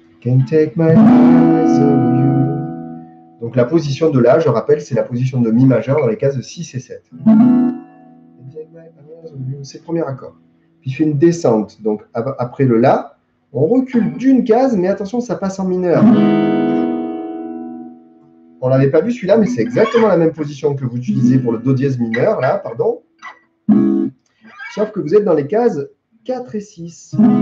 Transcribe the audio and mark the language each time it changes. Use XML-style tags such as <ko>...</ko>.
<en>Can't take my eyes off you.</en> <fr>Donc la position de la, je rappelle, c'est la position de mi majeur dans les cases 6 et 7.</fr> <en>Can't take my eyes off you.</en> <fr>C'est le premier accord. Puis il fait une descente. Donc après le la, on recule d'une case, mais attention, ça passe en mineur. On ne l'avait pas vu celui-là, mais c'est exactement la même position que vous utilisez pour le do dièse mineur, là, pardon. Sauf que vous êtes dans les cases 4 et 6.</fr>